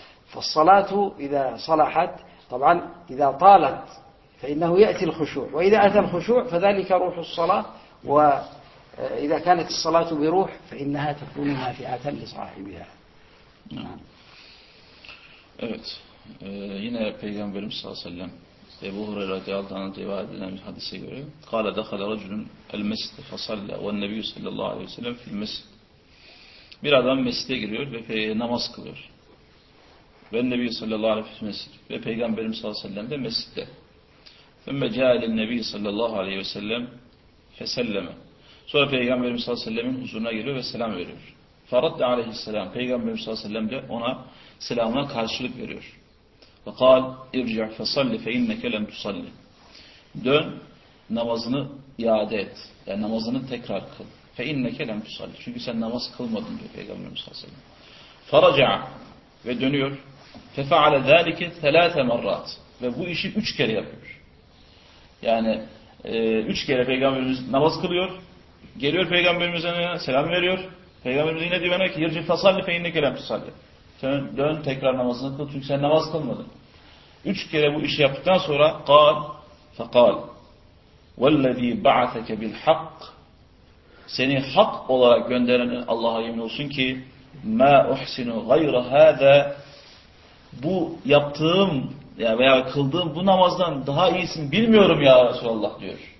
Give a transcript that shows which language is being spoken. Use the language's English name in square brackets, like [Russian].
[Arabic] فالصلاة إذا صلحت طبعا إذا طالت فإنه يأتي الخشوع، وإذا أتى الخشوع فذلك روح الصلاة، وإذا كانت الصلاة بروح فإنها تكون نافعة لصاحبها. [Turkish] Evet, yine Peygamberimiz sallallahu aleyhi ve sellem Ebu Hureyre radıyallahu anh'a rivayet edilen bir hadise göre [Arabic] قَالَ دَخَلَ رَجُلٌ الْمَسْتِ فَصَلَّ وَالنَّبِيُّ سَلَّ اللّٰهُ عَلَيْهِ وَسَلَّمْ فِي الْمَسْتِ. [Turkish] Bir adam mescide giriyor ve namaz kılıyor. Ve [Arabic] النَّبِيُّ سَلَّ اللّٰهُ عَلَيْهِ وَسَلَّمْ [Turkish] ve Peygamberimiz sallallahu aleyhi ve sellem de mescide. [Arabic] ثُمَّ جَاءَ لِلْنَّبِيُّ سَلَّ اللّٰهُ عَلَيْهِ وَسَلَّمْ فَسَلَّمَ. [Turkish] Sonra Peygamberimiz sallallahu aleyhi ve sellemin huzuruna giriyor ve selam veriyor. [Arabic] فَرَدَّ عَلَيْهِ السَّلَامُ. [Turkish] Peygamberimiz sallallahu aleyhi ve sellem de ona selamına karşılık veriyor. [Arabic] وقال ارجع فصلي فإنك لم تصلي. [Turkish] Dön namazını iade et. Yani namazını tekrar kıl. [Arabic] فإنك لم تصلي. [Turkish] Çünkü sen namaz kılmadın diyor Peygamberimiz sallallahu aleyhi ve sellem. [Arabic] فرجع [Turkish] ve dönüyor. [Arabic] ففعل ذلك 3 مرات [Turkish] ve bu işi 3 kere yapıyor. Yani 3 kere Peygamberimiz namaz kılıyor. Geliyor Peygamberimize selam veriyor. Peygamberimiz yine diyor ki [Arabic] ارجع فصلي فإنك لم تصلي. [Turkish] Dön tekrar namazını kıl çünkü sen namaz kılmadın. 3 kere bu işi yaptıktan sonra [Arabic] قال فقال والذي بعثك بالحق [Turkish] seni hak olarak gönderen Allah'a yemin olsun ki [Arabic] ما أحسن غير هذا [Turkish] bu yaptığım ya veya kıldığım bu namazdan daha iyisini bilmiyorum ya Resulallah diyor.